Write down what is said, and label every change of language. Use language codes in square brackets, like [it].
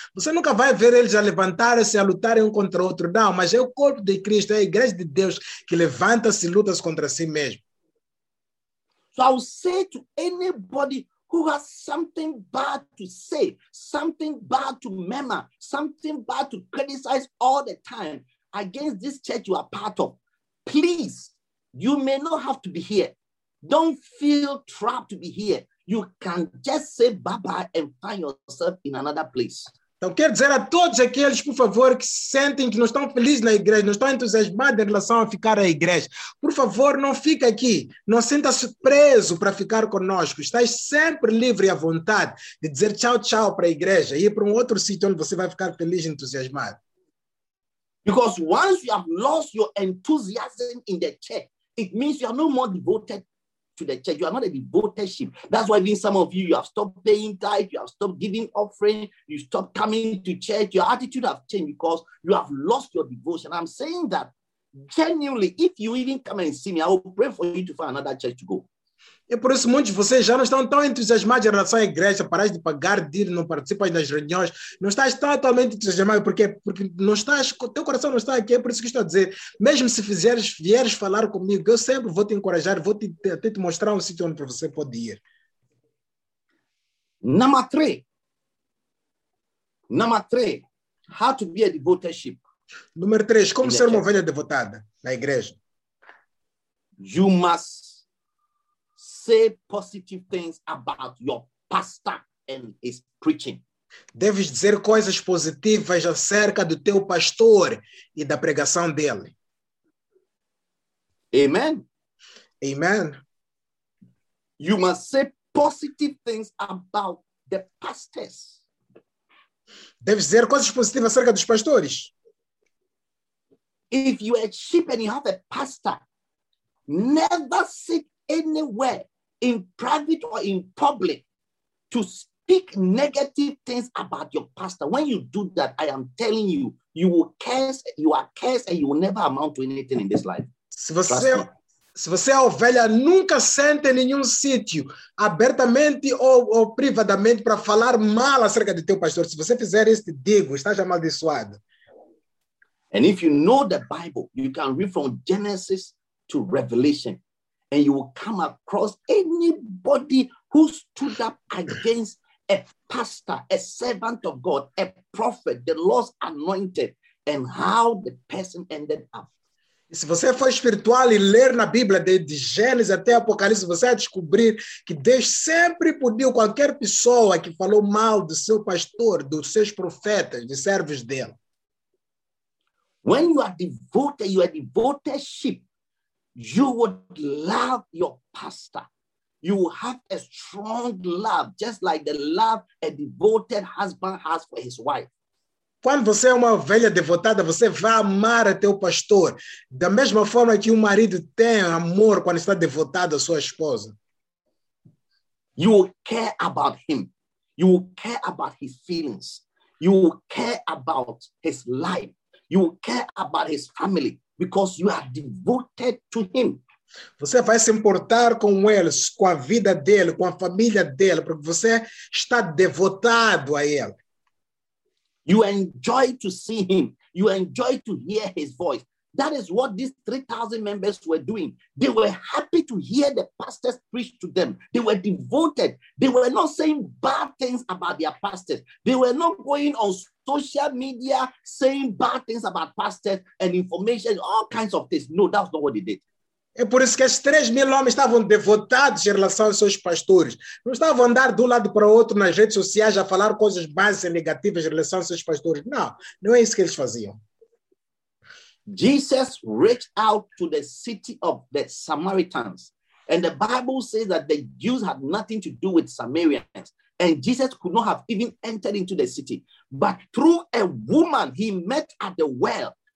[pt] Você nunca vai ver eles a levantarem-se, a lutarem um contra o outro. Não, mas é o corpo de Cristo, é a igreja de Deus que levanta-se e luta-se contra si mesmo. [en] So I would say to anybody who has something bad to say, something bad to murmur, something bad to criticize all the time against this church you are part of, please, you may not have to be here. Don't feel trapped to be here. You can just say bye-bye and find yourself in another place. [pt] Então, quero dizer a todos aqueles, por favor, que sentem que não estão felizes na igreja, não estão entusiasmados em relação a ficar na igreja. Por favor, não fique aqui. Não sinta-se preso para ficar conosco. Estás sempre livre e à vontade de dizer tchau, tchau para a igreja e ir para um outro sítio onde você vai ficar feliz e entusiasmado. [en] Because once you have lost your enthusiasm in the church, it means you are no more devoted to the church. You are not a devoted sheep. That's why even some of you, you have stopped paying tithe, you have stopped giving offering, you stopped coming to church. Your attitude has changed because you have lost your devotion. I'm saying that genuinely, if you even come and see me, I will pray for you to find another church to go. [pt] E por isso muitos de vocês já não estão tão entusiasmados em relação à igreja, parás de pagar dinheiro, não participas das reuniões, não estás tão atualmente entusiasmado, porque não estás, teu coração não está aqui, é por isso que estou a dizer, mesmo se fizeres, vieres falar comigo, eu sempre vou te encorajar, vou até te mostrar um sítio onde você pode ir. Número 3, [en] how to be a devoted sheep. [pt] Número 3, como ser uma ovelha devotada na igreja? [en] You must say positive things about your pastor and his preaching. [pt] Deves dizer coisas positivas acerca do teu pastor e da pregação dele. [en] Amen. [pt] Amen. [en] You must say positive things about the pastors. [pt] Deves dizer coisas positivas acerca dos pastores. [en] If you are a sheep and you have a pastor, never sit anywhere in private or in public to speak negative things about your pastor. When you do that, I am telling you, you will curse, you are cursed, and you will never amount to anything in this life. [pt] Se você é ovelha, nunca sente em nenhum sítio, abertamente ou privadamente, para falar mal acerca de teu pastor. Se você fizer isso, digo, estás amaldiçoado. [en] And if you know the Bible, you can read from Genesis to Revelation, and you will come across anybody who stood up against a pastor, a servant of God, a prophet, the Lord's anointed, and how the person ended up. [pt] Se você for espiritual e ler na Bíblia, de Gênesis até Apocalipse, você vai descobrir que Deus sempre puniu qualquer pessoa que falou mal do seu pastor, dos seus profetas, de servos dele. [en] When you are devoted sheep, you would love your pastor. You will have a strong love, just like the love a devoted husband has for his wife. [pt] Quando você é uma ovelha devotada, você vai amar o teu pastor da mesma forma que um marido tem amor quando está devotado à sua esposa. [en] You will care about him. You will care about his feelings. You will care about his life. You will care about his family. Because you are devoted to him. [pt] Você vai se importar com ele, com a vida dele, com a família dele, porque você está devotado a ele. [en] You enjoy to see him. You enjoy to hear his voice. That is what these 3,000 members were doing. They were happy to hear the pastors preach to them. They were devoted. They were not saying bad things about their pastors. They were not going on social media saying bad things about pastors and information, all kinds of things. No, that's not what they did. [pt] É por isso que esses 3,000 homens estavam devotados em relação aos seus pastores. Não estavam a andar de um lado para o outro nas redes sociais a falar coisas más e negativas em relação aos seus pastores. Não, não é isso que eles faziam. [en] Jesus reached out to the city of the Samaritans. And the Bible says that the Jews had nothing to do with Samaritans. And Jesus could not have even entered into the city. But through a woman he met at the well.